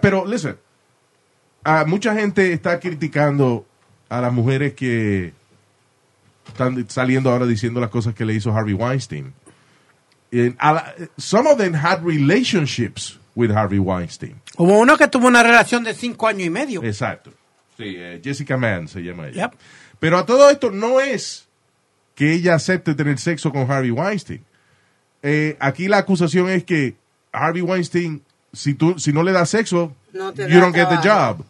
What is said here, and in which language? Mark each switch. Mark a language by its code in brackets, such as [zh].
[es] Pero, [en] listen, [es] mucha gente está criticando a las mujeres que están saliendo ahora diciendo las cosas que le hizo Harvey Weinstein. [en] Some of them had relationships with Harvey Weinstein. [es] Hubo uno que tuvo una relación de 5 años y medio. Exacto. Sí, Jessica Mann se llama ella. [en] Yep. [es] Pero a todo esto no es que ella acepte tener sexo con Harvey Weinstein. Aquí la acusación es que Harvey Weinstein, si no le das sexo, [en] you don't get the job.